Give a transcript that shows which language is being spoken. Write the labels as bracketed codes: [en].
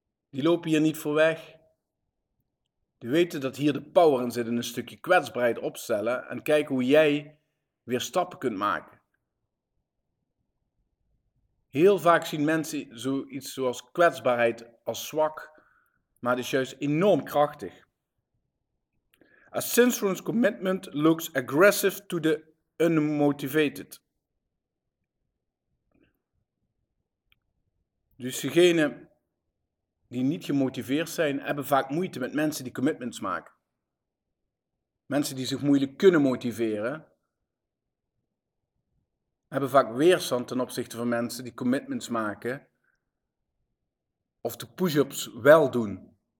[nl] Die lopen hier niet voor weg. Die weten dat hier de power in zit in een stukje kwetsbaarheid opstellen en kijken hoe jij weer stappen kunt maken. Heel vaak zien mensen zoiets zoals kwetsbaarheid als zwak. Maar het is juist enorm krachtig. [en] as Synchron's commitment looks aggressive to the unmotivated. [nl] Dus diegenen die niet gemotiveerd zijn, hebben vaak moeite met mensen die commitments maken. Mensen die zich moeilijk kunnen motiveren, hebben vaak weerstand ten opzichte van mensen die commitments maken of de push-ups wel doen.